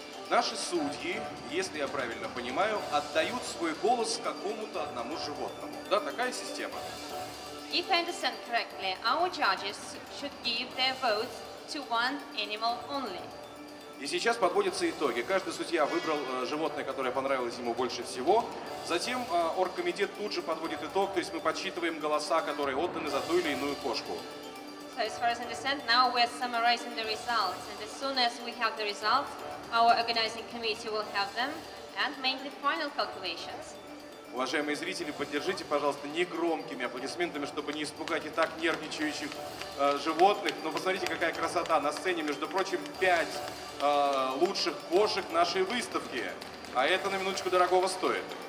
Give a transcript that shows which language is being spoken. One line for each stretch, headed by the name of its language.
Russian: Наши судьи, если я правильно понимаю, отдают свой голос какому-то одному животному. Да, такая система.
English: If I understand correctly, our judges should give their votes to one animal only.
Russian: И сейчас подводятся итоги. Каждый судья выбрал животное, которое понравилось ему больше всего. Затем оргкомитет тут же подводит итог, то есть мы подсчитываем голоса, которые отданы за ту или иную кошку.
English: So as far as I understand, now we're summarizing the results. And as soon as we have the results, our organizing committee will have them and make the final calculations.
Russian: Уважаемые зрители, поддержите, пожалуйста, негромкими аплодисментами, чтобы не испугать и так нервничающих животных. Но посмотрите, какая красота на сцене, между прочим, 5 лучших кошек нашей выставки. А это на минуточку дорогого стоит.